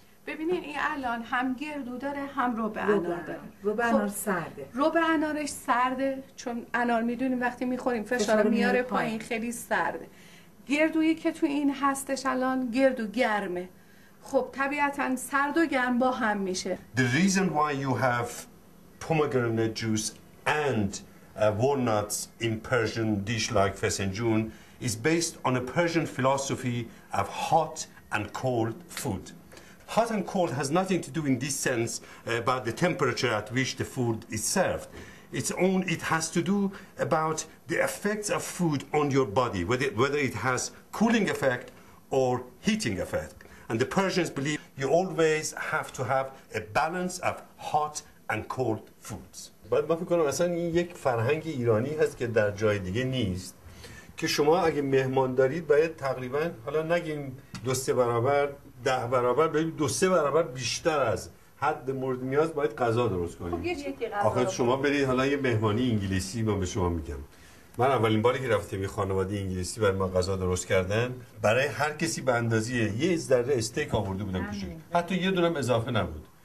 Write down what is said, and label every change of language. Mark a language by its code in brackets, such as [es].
[fa] ببینین این الان هم گردو داره هم روبه انار داره. روبه انار سرده، روبه انارش سرده چون انار میدونیم وقتی میخوریم فشار میاره پایین، خیلی سرده. گردویی که تو این هستش الان گردو گرمه، خب طبیعتاً سرد و گرم با هم میشه. [en] The reason why you have pomegranate juice and walnuts in Persian dish like fesenjoon is based on a Persian philosophy of hot and cold food. Hot and cold has nothing to do in this sense about the temperature at which the food is served. It has to do about the effects of food on your body, whether it has cooling effect or heating effect. And the Persians believe you always have to have a balance of hot and cold foods. [fa] باید من فکر کنم اصلا این یک فرهنگ ایرانی هست که در جای دیگه نیست، که شما اگه مهمان دارید باید تقریبا حالا نگیم دو سه برابر، ده برابر، باید دو سه برابر بیشتر از حد مورد نیاز باید غذا درست کنید. آخه شما برید حالا یه مهمانی انگلیسی، من به شما میگم، من اولین باری که رفتم یه خانواده انگلیسی برای ما غذا درست کردن، برای هر کسی به اندازه یه ذره استیک آورده بودم پیشش، حتی یه دونه هم اضافه نبود.